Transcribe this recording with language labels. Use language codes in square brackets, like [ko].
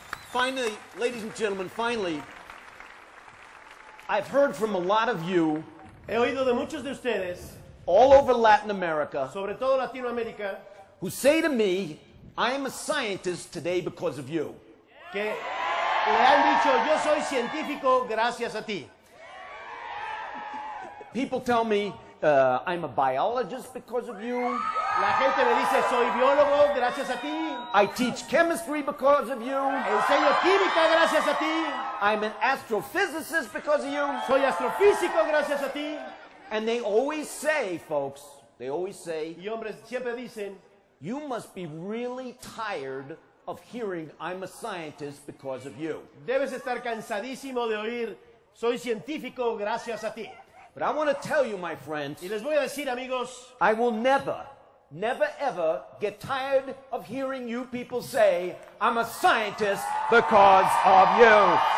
[en] Finally, ladies and gentlemen, finally, I've heard from a lot of you. [es] He oído de muchos de ustedes. [en] All over Latin America. [es] Sobre todo Latinoamérica. [en] Who say to me, I am a scientist today because of you. [es] Que le han dicho, yo soy científico gracias a ti. [en] People tell me, I'm a biologist because of you. [es] La gente me dice, soy biólogo, gracias a ti. [en] I teach chemistry because of you. [es] Enseño química, gracias a ti. [en] I'm an astrophysicist because of you. [es] Soy astrofísico, gracias a ti. [en] And they always say, folks, they always say, [es] y hombres siempre dicen, [en] you must be really tired of hearing I'm a scientist because of you. [es] Debes estar cansadísimo de oír, soy científico, gracias a ti. [en] But I want to tell you, my friends, [es] y les voy a decir, amigos, [en] I will never... Never ever get tired of hearing you people say, I'm a scientist because of you.